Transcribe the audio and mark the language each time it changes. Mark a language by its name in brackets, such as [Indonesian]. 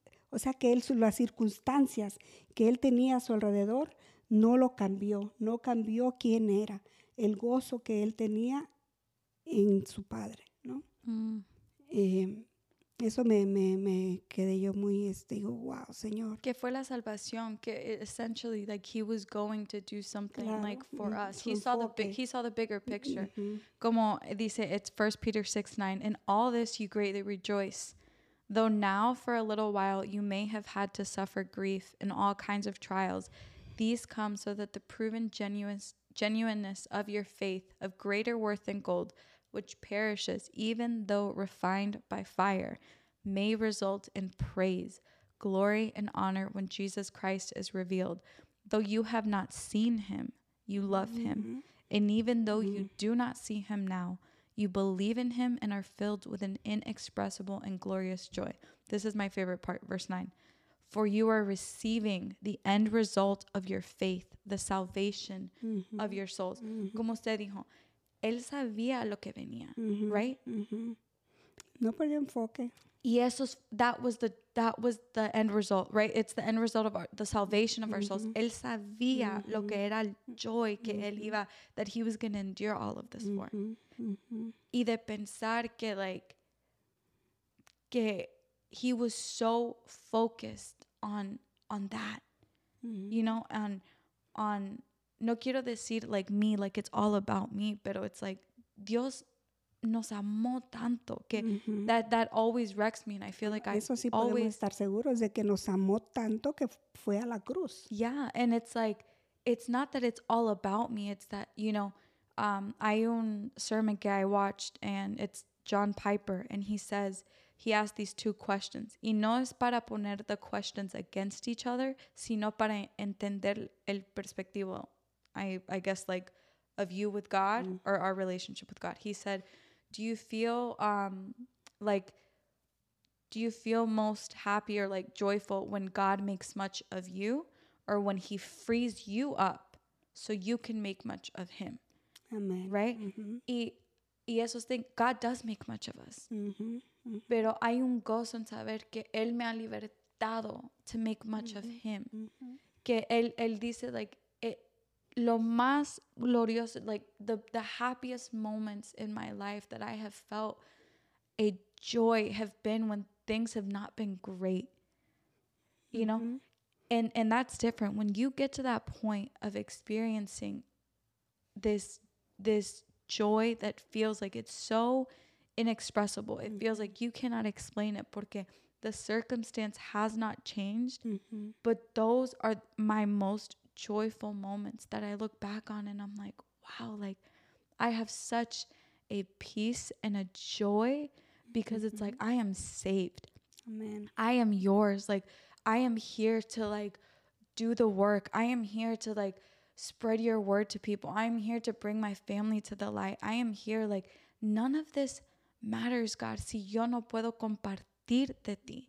[Spanish] O sea, que él, las circunstancias que él tenía a su alrededor, no lo cambió. No cambió quién era. El gozo que él tenía en su padre, ¿no? Mm. Eso me quedé yo muy, digo, wow, Señor. Que fue la salvación, que [English] essentially, like, he was going to do something, [Spanish] claro, [English] like, for us. He saw the bigger picture. Mm-hmm. [Spanish] Como dice, [English] it's 1 Peter 6:9, in all this you greatly rejoice, though now for a little while you may have had to suffer grief in all kinds of trials. These come so that the proven genuineness of your faith, of greater worth than gold, which perishes, even though refined by fire, may result in praise, glory, and honor when Jesus Christ is revealed. Though you have not seen him, you love mm-hmm. him. And even though mm-hmm. you do not see him now, you believe in him and are filled with an inexpressible and glorious joy. This is my favorite part, verse 9. For you are receiving the end result of your faith, the salvation mm-hmm. of your souls. Mm-hmm. [Spanish] Como usted dijo, él sabía lo que venía, mm-hmm. [English] right? [Spanish] Mm-hmm. No perdió enfoque. Y eso, [English] that was the end result, right? It's the end result of the salvation of mm-hmm. our souls. [Spanish] Él sabía mm-hmm. lo que era el joy que mm-hmm. él iba, [English] that he was going to endure all of this mm-hmm. for. Mm-hmm. [Spanish] Y de pensar que, [English] like, que he was so focused on that, mm-hmm. you know, and on... [Spanish] No quiero decir, [English] like, me, like, it's all about me, [Spanish] pero [English] it's like, [Spanish] Dios nos amó tanto, que [English] mm-hmm. that always wrecks me, and I feel like [Spanish] eso [English] I [Spanish] sí [English] always... [Spanish] Eso sí podemos estar seguros de que nos amó tanto que fue a la cruz. [English] Yeah, and it's like, it's not that it's all about me, it's that, you know, [Spanish] hay un sermon que [English] I watched, and it's John Piper, and he says, he asked these two questions. [Spanish] Y no es para poner [English] the questions against each other, [Spanish] sino para entender el perspectivo. [English] I guess, like, of you with God mm. or our relationship with God. He said, do you feel, like, do you feel most happy or, like, joyful when God makes much of you or when he frees you up so you can make much of him? Amen. Right? Mm-hmm. [Spanish] Y esos [English] things, God does make much of us. Mm-hmm. Mm-hmm. [Spanish] Pero hay un gozo en saber que él me ha libertado [English] to make much mm-hmm. of him. Mm-hmm. [Spanish] Que él dice, [English] like, [Spanish] lo más glorioso, [English] like the happiest moments in my life that I have felt a joy have been when things have not been great, you mm-hmm. know? And that's different. When you get to that point of experiencing this joy that feels like it's so inexpressible, mm-hmm. it feels like you cannot explain it [Spanish] porque [English] the circumstance has not changed, mm-hmm. but those are my most joyful moments that I look back on and I'm like, wow, like I have such a peace and a joy because mm-hmm. it's like, I am saved. Amen. I am yours. Like I am here to like do the work. I am here to like spread your word to people. I'm here to bring my family to the light. I am here. Like none of this matters, God. [Spanish] Si yo no puedo compartir de ti.